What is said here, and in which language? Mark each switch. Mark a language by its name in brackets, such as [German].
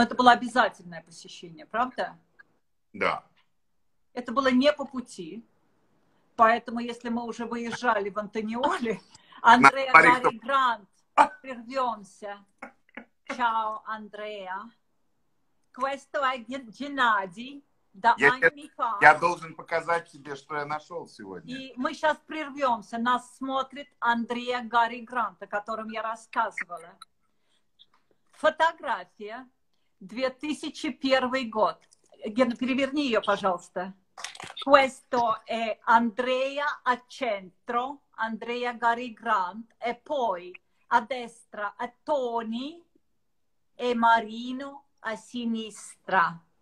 [Russian] Но это было обязательное посещение, правда? Да. Это было не по пути, поэтому если мы уже выезжали в Антониоли, Андреа Гарри Грант, прервемся. Чао, Андреа. [Italian] Questo è Геннадий. [Russian] Я должен показать тебе, что я нашел сегодня. И мы сейчас прервемся. Нас смотрит Андреа Гарри Грант, о котором я рассказывала. Фотография. 2001 год. Ген, переверни ее, пожалуйста. [Italian] Questo è Andrea a centro. Andrea Gary Grant. E poi a destra a Tony e Marino a sinistra.